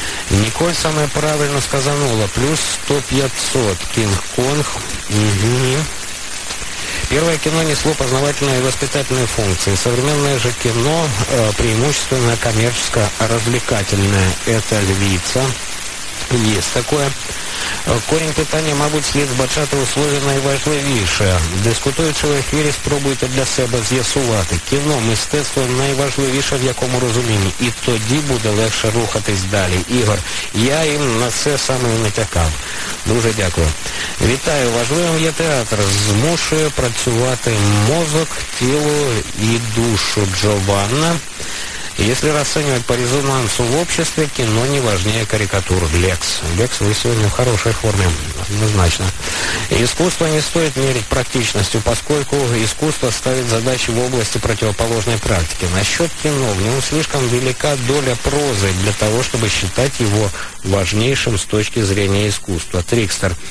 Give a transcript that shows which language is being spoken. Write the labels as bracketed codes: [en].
[ru] Николь самое правильно сказанула. Плюс 100-500. Кинг-Конг. Угу. Первое кино несло познавательные и воспитательные функции. Современное же кино преимущественно коммерческо-развлекательное. Это львица. Есть такое. [uk] Корінь питання, мабуть, слід бачати у слові «найважливіше». Дискутуючи в ефірі, спробуйте для себе з'ясувати. Кіно, мистецтво – найважливіше в якому розумінні. І тоді буде легше рухатись далі. Ігор, я їм на це саме і натякав. Дуже дякую. Вітаю, важливим є театр. Змушує працювати мозок, тіло і душу. Джованна. [ru] Если расценивать по резонансу в обществе, кино не важнее карикатур. Лекс. Лекс, вы сегодня в хорошей форме, однозначно. Искусство не стоит мерить практичностью, поскольку искусство ставит задачи в области противоположной практики. Насчет кино, в нем слишком велика доля прозы для того, чтобы считать его важнейшим с точки зрения искусства. Трикстер.